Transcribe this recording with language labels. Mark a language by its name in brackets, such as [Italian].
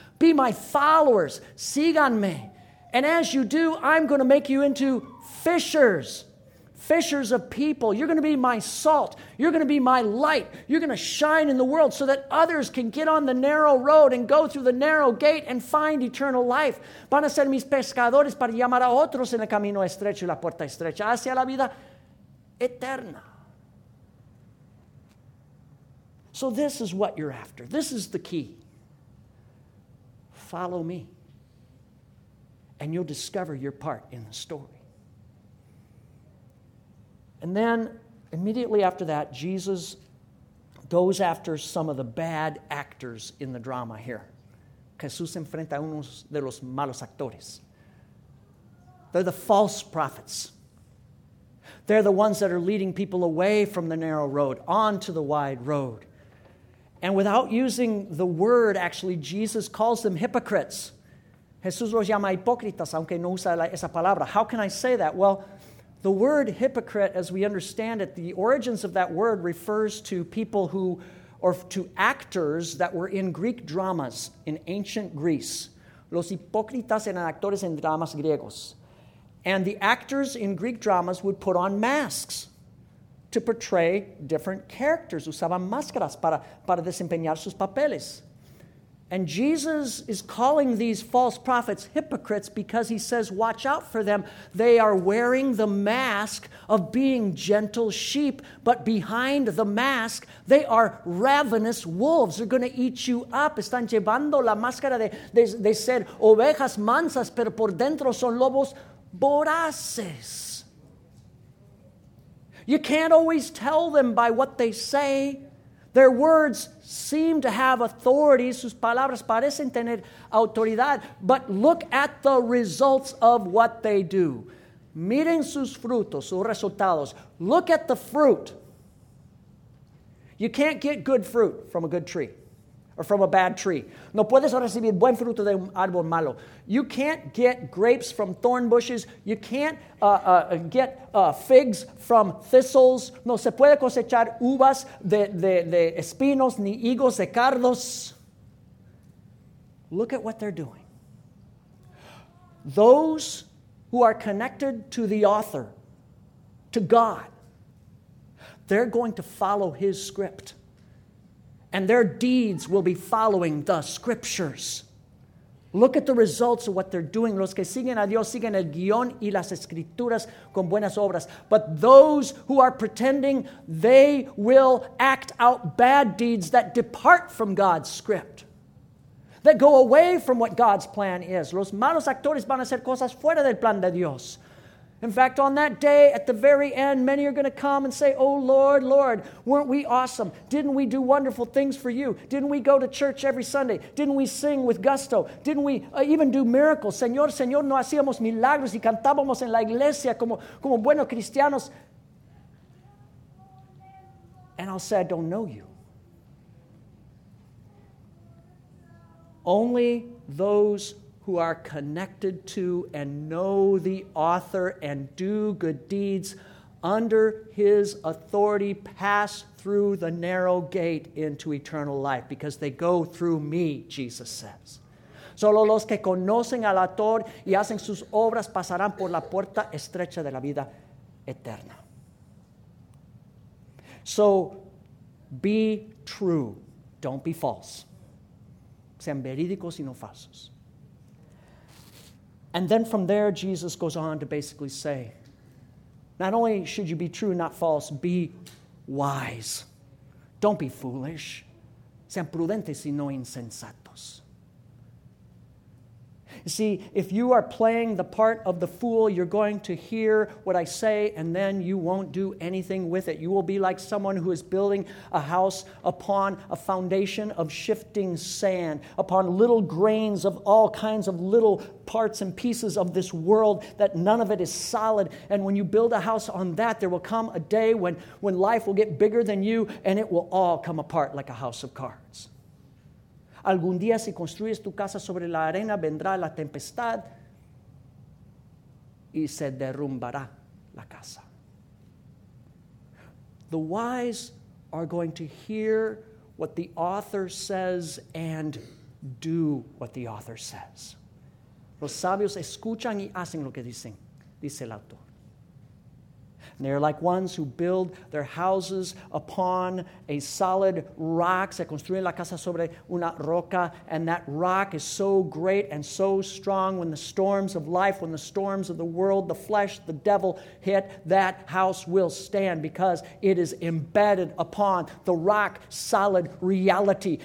[English] Be my followers. [Spanish] Síganme. [English] And as you do, I'm going to make you into fishers, fishers of people. You're going to be my salt. You're going to be my light. You're going to shine in the world so that others can get on the narrow road and go through the narrow gate and find eternal life. [Spanish] Van a ser mis pescadores para llamar a otros en el camino estrecho y la puerta estrecha hacia la vida eterna. [English] So this is what you're after. This is the key. Follow me. And you'll discover your part in the story. And then, immediately after that, Jesus goes after some of the bad actors in the drama here. [Spanish] Jesús enfrenta a unos de los malos actores. [English] They're the false prophets. They're the ones that are leading people away from the narrow road, onto the wide road. And without using the word, actually, Jesus calls them hypocrites. [Spanish] Jesús los llama hipócritas, aunque no usa esa palabra. [English] How can I say that? Well, the word hypocrite, as we understand it, the origins of that word refers to people who, or to actors that were in Greek dramas in ancient Greece. [Spanish] Los hipócritas eran actores en dramas griegos. [English] And the actors in Greek dramas would put on masks to portray different characters. [Spanish] Usaban máscaras para desempeñar sus papeles. [English] And Jesus is calling these false prophets hypocrites because he says, watch out for them. They are wearing the mask of being gentle sheep, but behind the mask, they are ravenous wolves. They're going to eat you up. [Spanish] Están llevando la máscara de ser ovejas mansas, pero por dentro son lobos voraces. [English] You can't always tell them by what they say. Their words seem to have authority. [Spanish] Sus palabras parecen tener autoridad. [English] But look at the results of what they do. [Spanish] Miren sus frutos, sus resultados. [English] Look at the fruit. You can't get good fruit from a good tree. or from a bad tree. [Spanish] No puedes recibir buen fruto de un árbol malo. [English] You can't get grapes from thorn bushes. You can't get figs from thistles. [Spanish] No se puede cosechar uvas de espinos ni higos de cardos. [English] Look at what they're doing. Those who are connected to the author, to God, they're going to follow his script. And their deeds will be following the scriptures. Look at the results of what they're doing. [Spanish] Los que siguen a Dios siguen el guión y las escrituras con buenas obras. [English] But those who are pretending, they will act out bad deeds that depart from God's script, that go away from what God's plan is. [Spanish] Los malos actores van a hacer cosas fuera del plan de Dios. [English] In fact, on that day, at the very end, many are going to come and say, "Oh, Lord, Lord, weren't we awesome? Didn't we do wonderful things for you? Didn't we go to church every Sunday? Didn't we sing with gusto? Didn't we even do miracles? [Spanish] Señor, Señor, no hacíamos milagros y cantábamos en la iglesia como buenos cristianos." [English] And I'll say, "I don't know you." Only those who are connected to and know the author and do good deeds under his authority pass through the narrow gate into eternal life, because they go through me, Jesus says. [Spanish] Solo los que conocen al autor y hacen sus obras pasarán por la puerta estrecha de la vida eterna. [English] So be true, don't be false. [Spanish] Sean verídicos y no falsos. [English] And then from there, Jesus goes on to basically say, not only should you be true, not false, be wise. Don't be foolish. [Spanish] Sean prudentes y no insensatos. [English] You see, if you are playing the part of the fool, you're going to hear what I say, and then you won't do anything with it. You will be like someone who is building a house upon a foundation of shifting sand, upon little grains of all kinds of little parts and pieces of this world, that none of it is solid. And when you build a house on that, there will come a day when life will get bigger than you, and it will all come apart like a house of cards. [Spanish] Algún día, si construyes tu casa sobre la arena, vendrá la tempestad y se derrumbará la casa. [English] The wise are going to hear what the author says and do what the author says. [Spanish] Los sabios escuchan y hacen lo que dicen, dice el autor. [English] They are like ones who build their houses upon a solid rock. [Spanish] Se construyen la casa sobre una roca. [English] And that rock is so great and so strong, when the storms of life, when the storms of the world, the flesh, the devil hit, that house will stand, because it is embedded upon the rock solid reality.